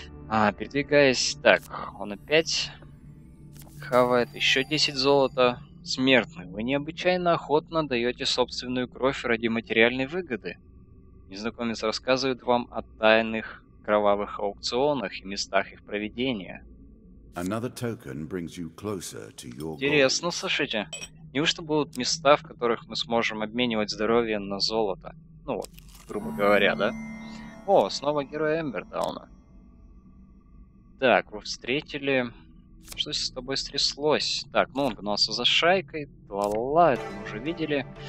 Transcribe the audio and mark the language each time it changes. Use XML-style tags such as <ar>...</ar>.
<ru>А, передвигаясь, так, он опять хавает еще 10 золота. «Смертный, вы необычайно охотно даете собственную кровь ради материальной выгоды. Незнакомец рассказывает вам о тайных кровавых аукционах и местах их проведения».</ru> <en>Another token brings you closer to your goal.</en> <ru>Интересно, слушайте. Неужто будут места, в которых мы сможем обменивать здоровье на золото? Ну вот, грубо говоря, да? О, снова герой Эмбердауна. Так, вы встретили... Что с тобой стряслось? Так, ну он гнался за шайкой. Ла-ла-ла, это мы уже видели.</ru>